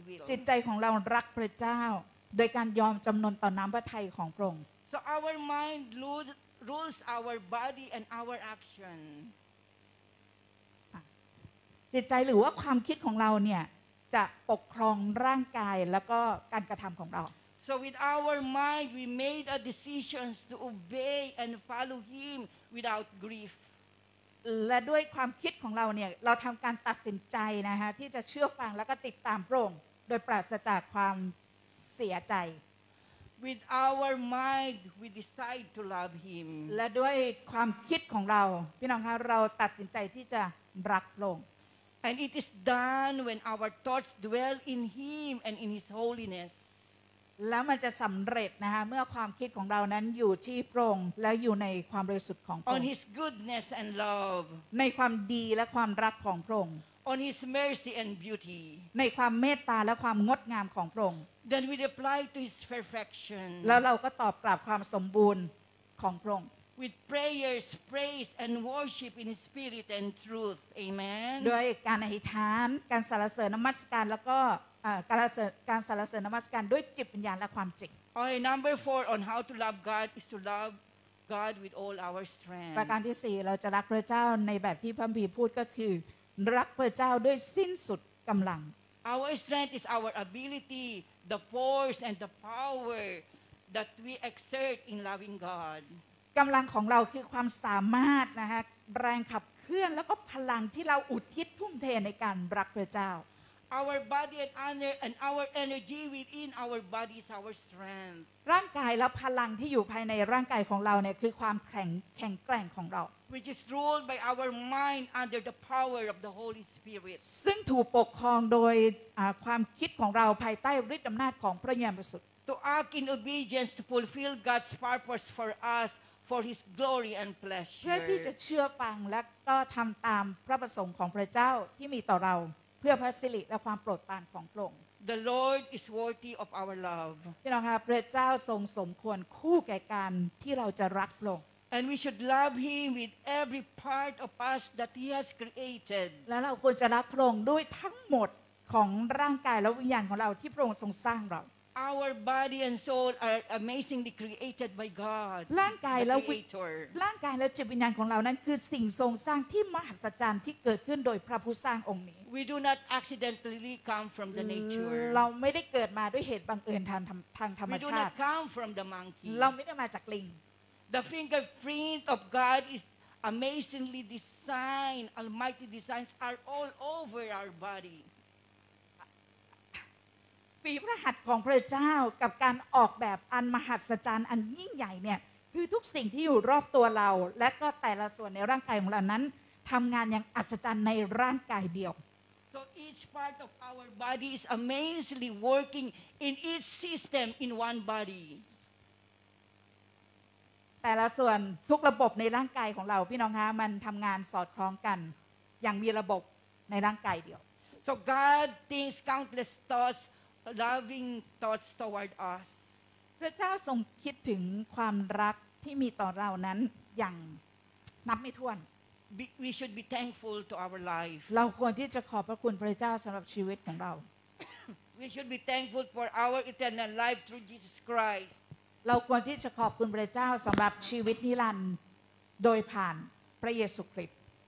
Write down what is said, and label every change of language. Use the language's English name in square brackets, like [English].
[Thai] จิตใจของเรารักพระเจ้าโดยการยอมจำนนต่อน้ำพระทัยของพระองค์ [English] So our mind rules our body and our action [Thai] จิตใจหรือว่าความคิดของเราเนี่ยจะปกครองร่างกายแล้วก็การกระทำของเรา [English] So with our mind we made a decision to obey and follow him without grief [Thai] และด้วยความคิดของเราเนี่ยเราทำการตัดสินใจนะฮะที่จะเชื่อฟังแล้วก็ติดตามพระองค์โดยปราศจากความเสียใจ [English] With our mind we decide to love him [Thai] และด้วยความคิดของเราพี่น้องคะเราตัดสินใจที่จะรักพระองค์ [English] And it is done when our thoughts dwell in him and in his holiness [Thai] แล้วมันจะสำเร็จนะฮะเมื่อความคิดของเรานั้นอยู่ที่พระองค์และอยู่ในความบริสุทธิ์ของพระองค์ [English] On his goodness and love [Thai] ในความดีและความรักของพระองค์ [English] On his mercy and beauty [Thai] ในความเมตตาและความงดงามของพระองค์ [English] Then we reply to his perfection [Thai] แล้วเราก็ตอบกลับความสมบูรณ์ของพระองค์ [English] With prayers praise and worship in spirit and truth amen [Thai] ด้วยการอธิษฐานการสรรเสริญนมัสการแล้วก็การสรรเสริญนมัสการด้วยจิตวิญญาณและความจริง [English] Alright, number four on how to love God is to love God with all our strength [Thai] ประการที่สี่เราจะรักพระเจ้าในแบบที่พระบิดพูดก็คือรักพระเจ้าด้วยสิ้นสุดกำลัง [English] Our strength is our ability, the force and the power that we exert in loving God [Thai] กำลังของเราคือความสามารถนะฮะแรงขับเคลื่อนแล้วก็พลังที่เราอุทิศทุ่มเทในการรักพระเจ้า [English] our body and honor and our energy within our bodies our strength [Thai] ร่างกายและพลังที่อยู่ภายในร่างกายของเราเนี่ยคือความแข็งแกร่งของเรา [English] which is ruled by our mind under the power of the Holy Spirit [Thai] ซึ่งถูกปกครองโดยความคิดของเราภายใต้ฤทธิ์อำนาจของพระวิญญาณบริสุทธิ์ [English] to act in obedience to fulfill God's purpose for usfor his glory and pleasure [Thai] เพื่อที่จะเชื่อฟังและก็ทำตามพระประสงค์ของพระเจ้าที่มีต่อเราเพื่อพระสิริและความโปรดปรานของพระองค์ [English] The Lord is worthy of our love [Thai] พี่น้องคะพระเจ้าทรงสมควรคู่แก่การที่เราจะรักพระองค์ [English] And we should love him with every part of us that he has created [Thai] และเราควรจะรักพระองค์ด้วยทั้งหมดของร่างกายและวิญญาณของเราที่พระองค์ทรงสร้างเรา [English] Our body and soul are amazingly created by God. [Thai] ร่างกายและวิญญาณร่างกายและจิตวิญญาณของเรานั้นคือสิ่งทรงสร้างที่มหัศจรรย์ที่เกิดขึ้นโดยพระผู้สร้างองค์นี้ [English] We do not accidentally come from the nature. [Thai] เราไม่ได้เกิดมาด้วยเหตุบังเอิญทางธรรมชาติ [English] We do not come from the monkey. [Thai] เราไม่ได้มาจากลิง [English] The fingerprint of God is amazingly designed. Almighty designs are all over our body. [Thai] ฝีพระหัตถ์ของพระเจ้ากับการออกแบบอันมหัศจรรย์อันยิ่งใหญ่เนี่ยคือทุกสิ่งที่อยู่รอบตัวเราและก็แต่ละส่วนในร่างกายของเรานั้นทำงานอย่างอัศจรรย์ในร่างกายเดียว [English] So each part of our body is amazingly working in each system in one body [Thai] แต่ละส่วนทุกระบบในร่างกายของเราพี่น้องคะมันทำงานสอดคล้องกันอย่างมีระบบในร่างกายเดียว [English] So God thinks countless thoughtsloving thoughts toward us [Thai] พระเจ้าทรงคิดถึงความรักที่มีต่อเรานั้นอย่างนับไม่ถ้วน [English] we should be thankful to our life [Thai] เราควรที่จะขอบพระคุณพระเจ้าสำหรับชีวิตของเรา [English] we should be thankful for our eternal life through Jesus Christ [Thai] เราควรที่จะขอบคุณพระเจ้าสำหรับชีวิตนิรันดร์โดยผ่านพระเยซูคริสต์